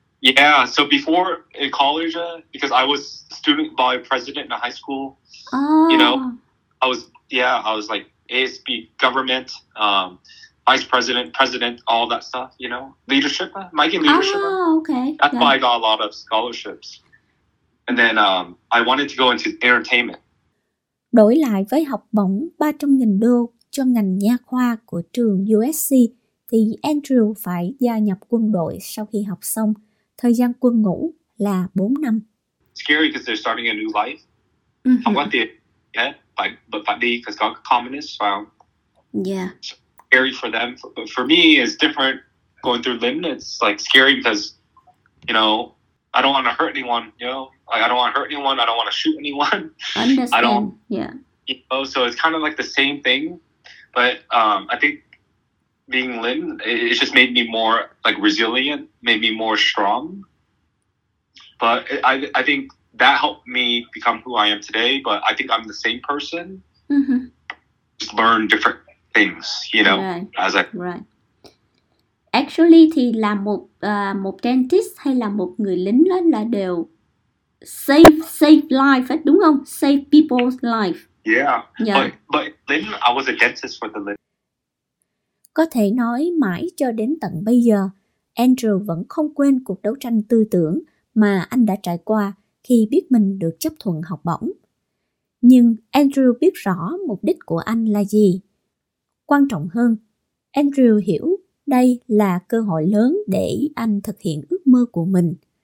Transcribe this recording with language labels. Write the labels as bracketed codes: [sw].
[en] Yeah, so before in college, because I was student body president in high school, you know, I was like ASB government, vice president, president, all that stuff, you know, leadership, Mike and leadership. Oh, okay. That's why I got a lot of scholarships. And then I wanted to go into entertainment. [vi] Đổi lại với học bổng 300.000 đô cho ngành nha khoa của trường USC, thì Andrew phải gia nhập quân đội sau khi học xong. Thời gian quân ngũ là 4 năm. [en] Scary because they're starting a new life. Mm-hmm. I want the, yeah, but for me, because I'm a communist, so I'm, yeah. Scary for them. For me, it's different going through Lim. It's like scary because, you know, I don't want to hurt anyone, you know. Like, I don't want to hurt anyone. I don't want to shoot anyone. Understand. You know, so it's kind of like the same thing. But I think being Lynn, it just made me more like resilient, made me more strong. But I think that helped me become who I am today. But I think I'm the same person. Mm-hmm. Just learn different things, you know, Right. [vi] Actually thì là một dentist hay là một người lính là đều [en] save life, [vi] đúng không? [en] Save people's life. Yeah. But then I was a dentist for the living. [vi] Có thể nói mãi cho đến tận bây giờ, Andrew vẫn không quên cuộc đấu tranh tư tưởng mà anh đã trải qua khi biết mình được chấp thuận học bổng. Nhưng Andrew biết rõ mục đích của anh là gì. Quan trọng hơn, Andrew hiểu đây là cơ hội lớn để anh thực hiện ước mơ của mình.